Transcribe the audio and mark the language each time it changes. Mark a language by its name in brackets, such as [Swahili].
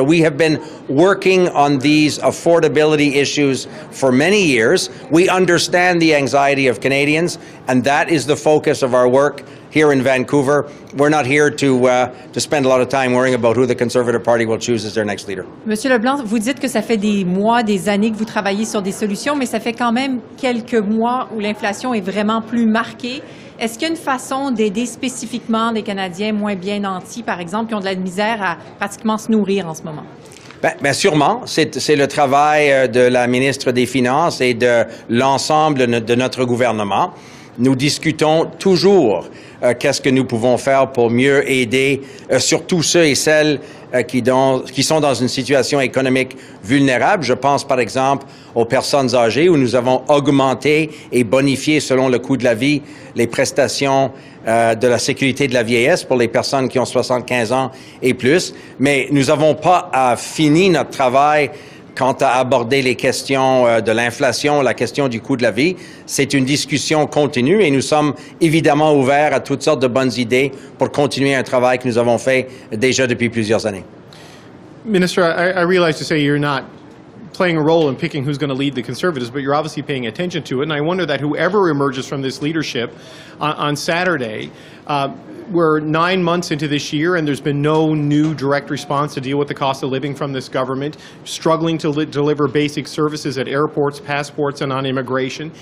[English] So we have been working on these affordability issues for many years. We understand the anxiety of Canadians, and that is the focus of our work here in Vancouver. We're not here to spend a lot of time worrying about who the Conservative Party will choose as their next leader. [French] Monsieur LeBlanc, vous dites que ça fait des mois, des années que vous travaillez sur des solutions, mais ça fait quand même quelques mois où l'inflation est vraiment plus marquée. Est-ce qu'il y a une façon d'aider spécifiquement les Canadiens moins bien nantis, par exemple, qui ont de la misère à pratiquement se nourrir en ce moment? Bien sûrement. C'est le travail de la ministre des Finances et de l'ensemble de notre gouvernement. Nous discutons toujours qu'est-ce que nous pouvons faire pour mieux aider surtout ceux et celles qui sont dans une situation économique vulnérable. Je pense, par exemple, aux personnes âgées, où nous avons augmenté et bonifié, selon le coût de la vie, les prestations de la sécurité de la vieillesse pour les personnes qui ont 75 ans et plus. Mais nous n'avons pas fini notre travail quant à aborder les questions de l'inflation, la question du coût de la vie. C'est une discussion continue et nous sommes évidemment ouverts à toutes sortes de bonnes idées pour continuer un travail que nous avons fait déjà depuis plusieurs années. [English] Minister, I realize you say you're not playing a role in picking who's going to lead the Conservatives, but you're obviously paying attention to it. And I wonder that whoever emerges from this leadership on Saturday, we're 9 months into this year and there's been no new direct response to deal with the cost of living from this government, struggling to deliver basic services at airports, passports, and on immigration.